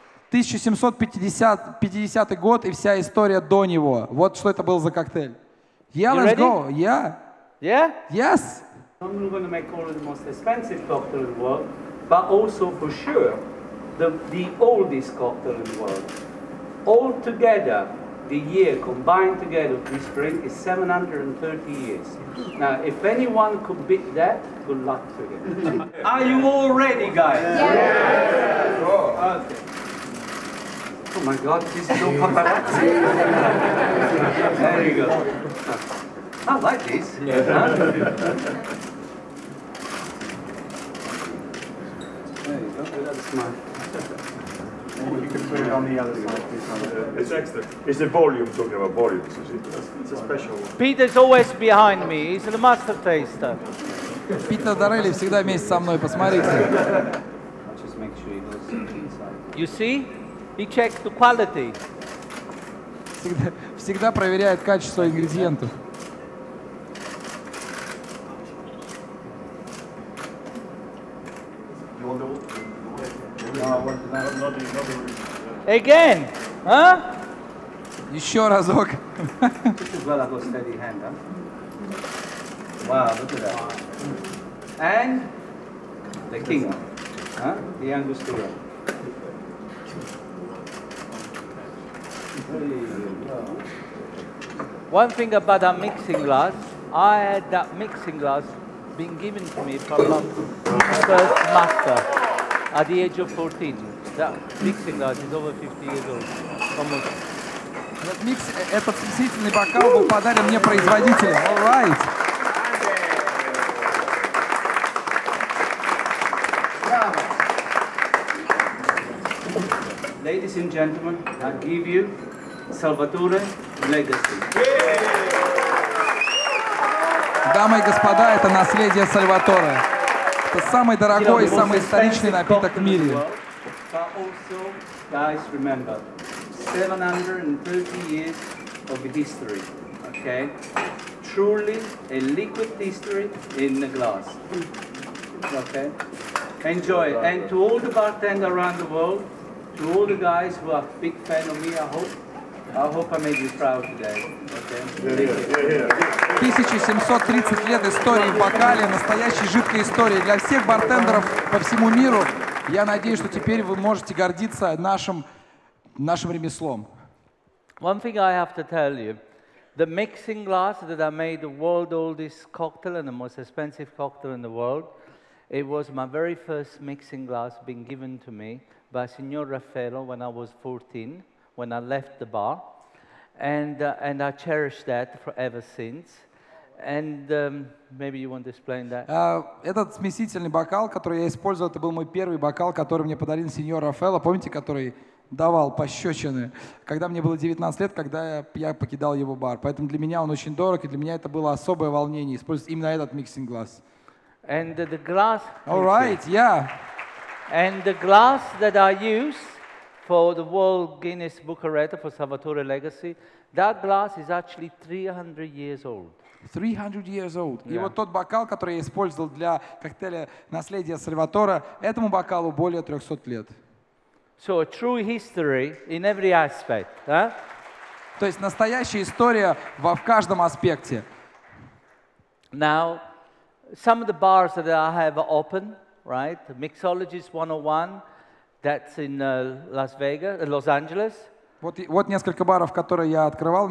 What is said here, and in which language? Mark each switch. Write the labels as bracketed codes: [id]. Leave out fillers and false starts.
[ru] 1750 год и вся история до него. Вот что это был за коктейль. [en] Yeah, let's go. Yeah. Yeah? Yes. I'm going to make one of the most expensive cocktails in the world, but also for sure the oldest cocktail in the world. All together, the year combined together of this drink is 730 years. Now, if anyone could beat that, good luck to you. Are you all ready, guys? Yes. Yeah. Yeah. Yeah. Okay. Oh my God, this is no paparazzi. There you go. I like this. There you go. That's smart. You can put it on the other side. It's extra. It's the volume, talking about volumes. It's a special one. Peter's always behind me. He's the master taster. [ru] Peter Дорелли всегда вместе со мной. Посмотрите. [en] I'll just make sure he goes inside. You see? He checks the quality. [ru] Всегда проверяет качество ингредиентов. [en] Again, huh? [ru] Еще разок. [en] This is well of a steady hand, huh? Wow, look at that. And the king, huh? The Angostura. One thing about that mixing glass, I had that mixing glass being given to me from my first master at the age of 14. That mixing glass is over 50 years old. Almost. [ru] Этот смесительный бокал был подарен мне производителем. [en] All right. Ladies and gentlemen, I give you Salvatore Legacy. [ru] Дамы и господа, это наследие Сальваторе. Это самый дорогой и самый историчный напиток в мире. [en] But also, guys, remember, 730 years of history, okay? Truly a liquid history in the glass, okay? Enjoy. And to all the bartenders around the world, to all the guys who are big fan of me, I hope I made you proud today. Okay. Yeah, yeah, yeah, yeah. [ru] 1730 лет истории в бокале, настоящей жидкой истории для всех бартендеров по всему миру. Я надеюсь, что теперь вы можете гордиться нашим ремеслом. [en] One thing I have to tell you, the mixing glass that I made the world oldest cocktail and the most expensive cocktail in the world, it was my very first mixing glass being given to me by Signor Raffaello when I was 14. When I left the bar, and I cherish that forever since. And maybe you want to explain that. [ru] Этот смесительный бокал, который я использовал, это был мой первый бокал, который мне подарил сеньор Рафаэло. Помните, который давал пощечины, когда мне было 19 лет, когда я покидал его бар. Поэтому для меня он очень дорог, и для меня это было особое волнение использовать именно этот mixing glass. [en] And the glass. All right, yeah. And the glass that I use for the World Guinness Book of Records for Salvatore Legacy. That glass is actually 300 years old. 300 years old. [ru] Yeah. И вот тот бокал, который я использовал для коктейля «Наследие Сальватора», этому бокалу более 300 лет. [en] So a true history in every aspect, huh? [ru] То есть настоящая история во в каждом аспекте. [en] Now, some of the bars that I have open, right? Mixologist 101, that's in Los Angeles. [ru] Вот несколько баров, которые я открывал.